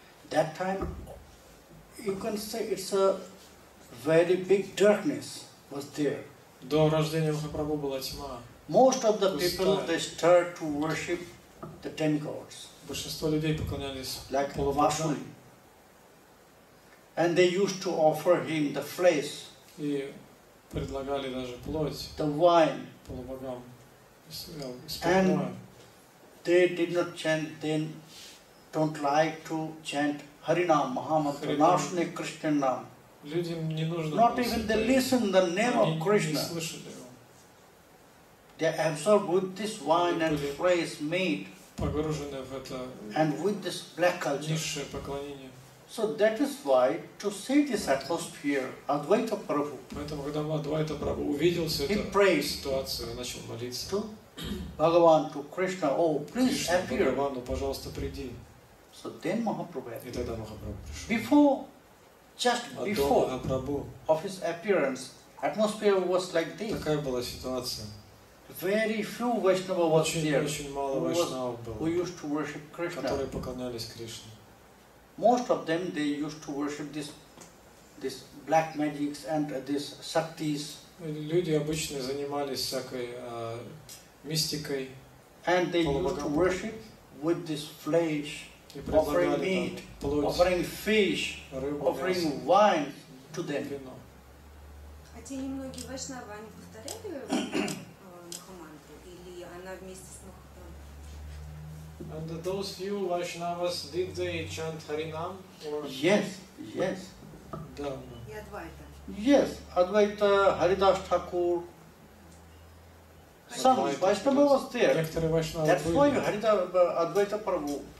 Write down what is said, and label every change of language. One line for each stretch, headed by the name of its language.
English: That time, you can say it's a very big darkness was there.
Russian: До рождения Махапрабху была тьма.
English: Most of the people, they start to worship the demigods.
Russian: Большинство людей поклонялись
English: like Vasuni. And they used to offer him the flesh.
Russian: И предлагали даже плоть.
English: The wine.
Russian: Полубогам.
English: And they did not chant, then don't like to chant Harinam, Mahamantra, Nashne Krishnanam.
Russian: Людям не нужно.
English: Not even they listen the name of Krishna.
Russian: Не слышали его.
English: They absorb with this wine and phrase made.
Russian: Погружены в это.
English: And with this black culture.
Russian: Низшее поклонение.
English: So that is why to see this atmosphere, Advaita Prabhu.
Russian: Поэтому когда Advaita Prabhu увидел всю эту ситуацию, начал молиться.
English: To Bhagavan, to Krishna, oh please appear.
Russian: Бхагавану, пожалуйста, приди.
English: So then Mahaprabhu.
Russian: И тогда Махапрабху пришел.
English: Before. Just before of his appearance, atmosphere was like this.
Russian: Такая была ситуация.
English: Very few Vaishnava was there.
Russian: Очень мало Вайшнава было.
English: Who used to worship Krishna?
Russian: Которые поклонялись Кришне.
English: Most of them they used to worship this black magics and this shaktis.
Russian: Люди обычно занимались всякой мистикой.
English: And they used to worship with this flesh. Offering meat,
Russian: плоть,
English: offering fish,
Russian: рыбу,
English: offering
Russian: мясо,
English: wine to them.
Russian: А те немногие вайшнавы, они повторяли Махамантру или она вместе с Махамантру?
English: And those few Vaishnavas, did they chant Harinam? Yes, yes.
Russian: Да. И Адвайта?
English: Yes, Адвайта, Харидаш Такур. Some Vaishnava was there. That's why Advaita Prabhu.